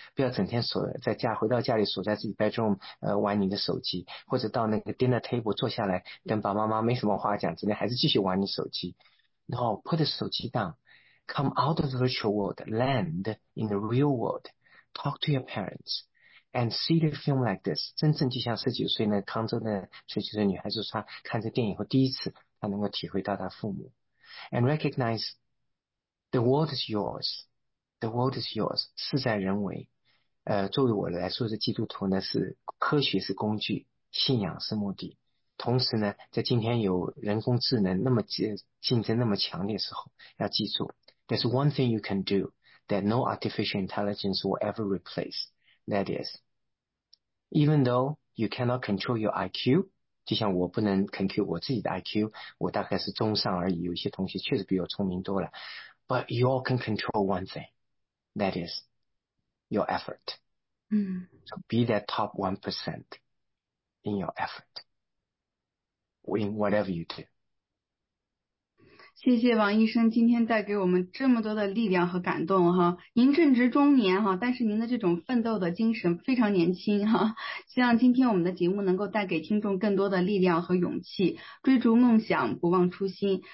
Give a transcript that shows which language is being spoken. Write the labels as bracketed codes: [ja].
[zh] 不要整天锁在家，回到家里锁在自己 bedroom， 玩你的手机，或者到那个 dinner table 坐下来跟爸爸妈妈没什么话讲，今天还是继续玩你手机。 [en] No, put the 手机 down. Come out of the virtual world. Land in the real world. Talk to your parents and see the film like this. [zh] 真正就像十九岁那康州的十九岁女孩子，她看这电影后第一次她能够体会到她父母。 [en] And recognize. The world is yours. The world is yours. [zh] 事在人为。作为我来说，是基督徒呢，是科学是工具，信仰是目的。同时呢，在今天有人工智能那么竞争那么强烈的时候，要记住 ， [en] There's one thing you can do that no artificial intelligence will ever replace. That is, even though you cannot control your IQ. [zh] 就像我不能 control 我自己的 IQ， 我大概是中上而已，有些同学确实比我聪明多了。 [en] But you all can control one thing, that is your effort. So be that top 1% in your effort, in whatever you do. [zh] 谢谢王医生今天带给我们这么多的力量和感动哈。您正值中年哈，但是您的这种奋斗的精神非常年轻哈。希望今天我们的节目能够带给听众更多的力量和勇气，追逐梦想，不忘初心。